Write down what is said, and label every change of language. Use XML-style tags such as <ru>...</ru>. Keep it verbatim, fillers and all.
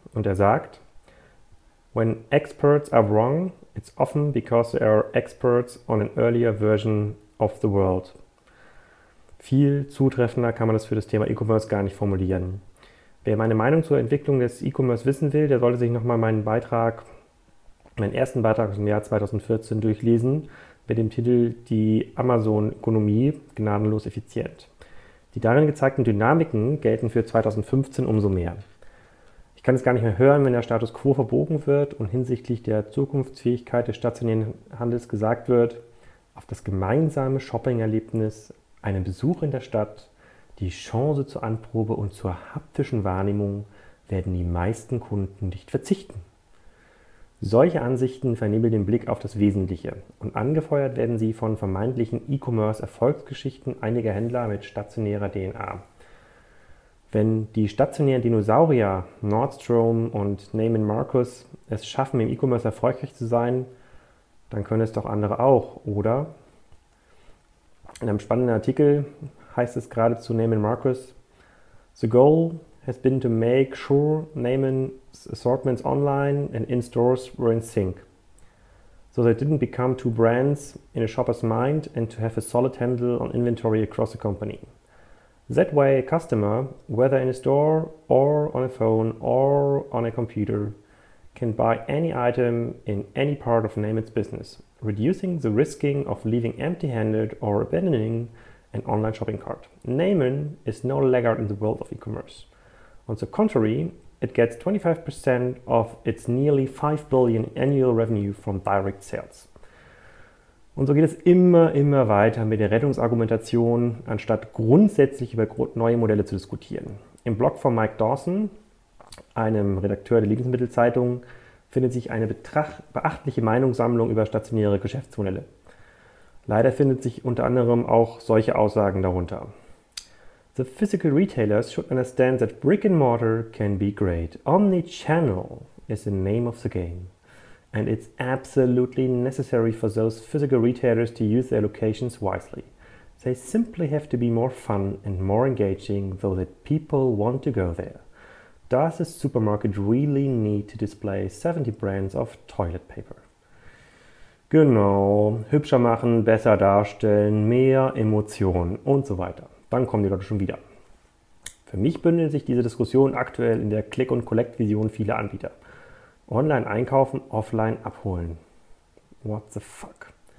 <de>Und er sagt,</de> <en>When experts are wrong, it's often because they are experts on an earlier version of the world.</en> <de>Viel zutreffender kann man das für das Thema E-Commerce gar nicht formulieren. Wer meine Meinung zur Entwicklung des E-Commerce wissen will, der sollte sich nochmal meinen Beitrag meinen ersten Beitrag aus dem Jahr zweitausendvierzehn durchlesen mit dem Titel Die Amazon-Ökonomie gnadenlos effizient. Die darin gezeigten Dynamiken gelten für zweitausendfünfzehn umso mehr. Ich kann es gar nicht mehr hören, wenn der Status quo verbogen wird und hinsichtlich der Zukunftsfähigkeit des stationären Handels gesagt wird, auf das gemeinsame Shopping-Erlebnis, einen Besuch in der Stadt, die Chance zur Anprobe und zur haptischen Wahrnehmung werden die meisten Kunden nicht verzichten. Solche Ansichten vernebeln den Blick auf das Wesentliche und angefeuert werden sie von vermeintlichen E-Commerce-Erfolgsgeschichten einiger Händler mit stationärer D N A. Wenn die stationären Dinosaurier Nordstrom und Neiman Marcus es schaffen, im E-Commerce erfolgreich zu sein, dann können es doch andere auch, oder? In einem spannenden Artikel heißt es gerade zu Neiman Marcus,</de> <en>The goal has been to make sure Neiman's assortments online and in stores were in sync, so they didn't become two brands in a shopper's mind and to have a solid handle on inventory across the company. That way a customer, whether in a store or on a phone or on a computer, can buy any item in any part of Neiman's business, reducing the risking of leaving empty-handed or abandoning an online shopping cart. Neiman is no laggard in the world of e-commerce. On the contrary, it gets twenty-five percent of its nearly five billion annual revenue from direct sales.</en> <de>Und so geht es immer, immer weiter mit der Rettungsargumentation, anstatt grundsätzlich über neue Modelle zu diskutieren. Im Blog von Mike Dawson, einem Redakteur der Lebensmittelzeitung, findet sich eine betracht- beachtliche Meinungssammlung über stationäre Geschäftsmodelle. Leider findet sich unter anderem auch solche Aussagen darunter.</de> <en>The physical retailers should understand that brick and mortar can be great. Omnichannel is the name of the game, and it's absolutely necessary for those physical retailers to use their locations wisely. They simply have to be more fun and more engaging so that people want to go there. Does a supermarket really need to display seventy brands of toilet paper?</en> <de>Genau, hübscher machen, besser darstellen, mehr Emotionen und so weiter. Dann kommen die Leute schon wieder. Für mich bündelt sich diese Diskussion aktuell in der Click- und Collect-Vision vieler Anbieter. Online einkaufen, offline abholen.</de> <en>What the fuck?</en>